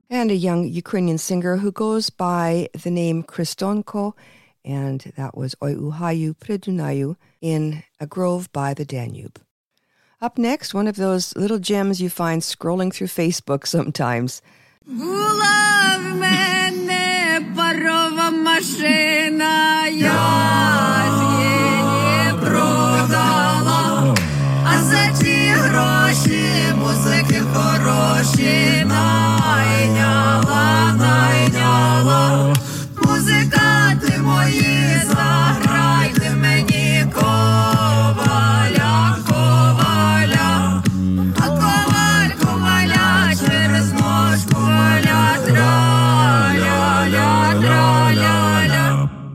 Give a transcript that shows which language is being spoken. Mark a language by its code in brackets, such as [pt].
[en] A young Ukrainian singer who goes by the name Kristonko, and that was Oi Uhayu Predunayu in a grove by the Danube. Up next, one of those little gems you find scrolling through Facebook sometimes. [uk] Була в мене парова машина, я її продала, а за ті гроші музики хороші найняла, найняла. Музиканти мої, заграйте мені коваля, коваля. А коваль, коваля, через нож коваля, траля, ля, траля, ля.